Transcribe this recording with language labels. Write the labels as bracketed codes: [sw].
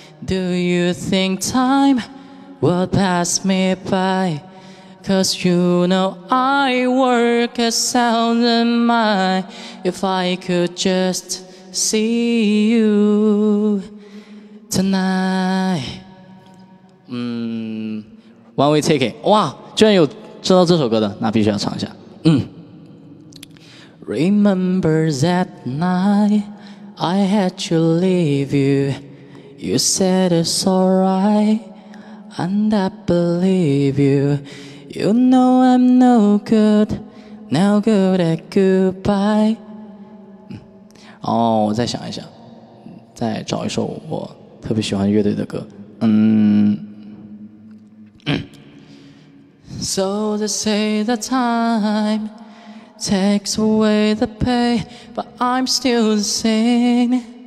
[en] Do you think time will pass me by? Cause you know I work a thousand miles. If I could just see you tonight. One way ticket. [zh] 哇，居然有知道这首歌的，那必须要唱一下。 [en] Remember that night I had to leave you. You said it's alright, and I believe you. You know I'm no good, no good at goodbye. [zh] 哦，我再想一想，再找一首我特别喜欢乐队的歌。 [en] So they say the time takes away the pain, but I'm still the same.